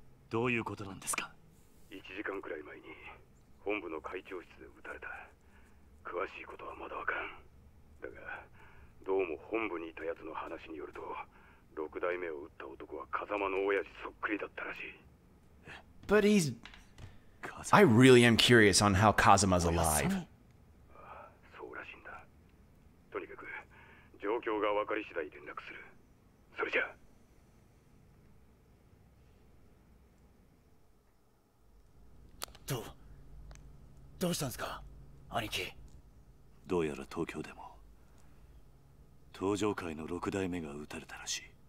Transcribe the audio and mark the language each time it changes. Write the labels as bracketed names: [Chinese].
[Japanese] どういうことなんですか？一時間くらい前に本部の会長室で撃たれた。詳しいことはまだわからん。だがどうも本部にいた奴の話によると、六代目を撃った男は風間の親父そっくりだったらしい。 [English] But he's... I really am curious on how Kazuma's alive. [Japanese] そうらしいんだ。とにかく、状況が分かり次第連絡する。それじゃ。どうしたんですか、兄貴。どうやら東京でも東条会の六代目が撃たれたらしい。